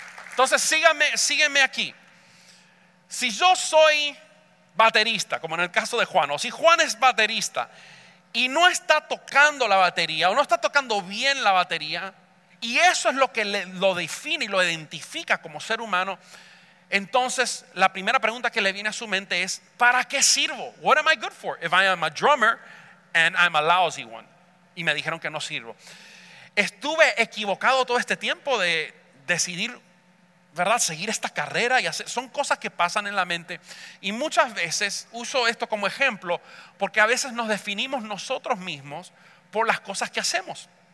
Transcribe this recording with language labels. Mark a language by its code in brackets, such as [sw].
[es] Entonces, sígueme aquí. Si yo soy baterista, como en el caso de Juan, o si Juan es baterista y no está tocando la batería, o no está tocando bien la batería, y eso es lo que lo define y lo identifica como ser humano, entonces la primera pregunta que le viene a su mente es: ¿para qué sirvo? [en] What am I good for if I am a drummer and I'm a lousy one? [es] Y me dijeron que no sirvo. Estuve equivocado todo este tiempo de decidir, ¿verdad?, seguir esta carrera y hacer. Son cosas que pasan en la mente. Y muchas veces uso esto como ejemplo porque a veces nos definimos nosotros mismos por las cosas que hacemos.